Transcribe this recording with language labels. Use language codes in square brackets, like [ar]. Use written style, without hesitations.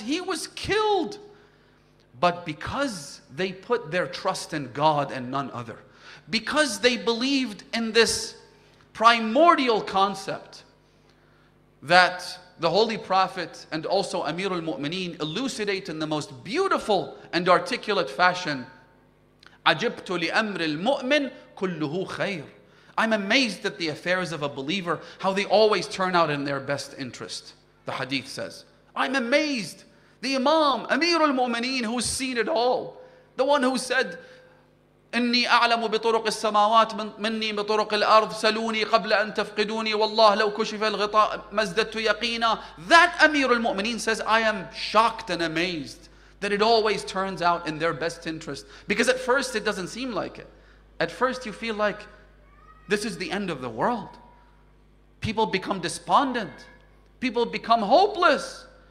[en] He was killed. But because they put their trust in God and none other, because they believed in this primordial concept that the Holy Prophet and also Amir al-Mu'mineen elucidate in the most beautiful and articulate fashion, [ar] عَجِبْتُ لِأَمْرِ الْمُؤْمِنِ كُلُّهُ خَيْرٌ. [en] I'm amazed at the affairs of a believer, how they always turn out in their best interest, the hadith says. I'm amazed. The Imam, Amir al-Mu'mineen, who's seen it all, the one who said, [ar] إني أعلم بطرق السماوات مني بطرق الأرض سلوني قبل أن تفقدوني والله لو كشف الغطاء ما ازددت يقينا. [en] That Amir al-Mu'mineen says, I am shocked and amazed that it always turns out in their best interest. Because at first it doesn't seem like it. At first you feel like this is the end of the world. People become despondent. People become hopeless.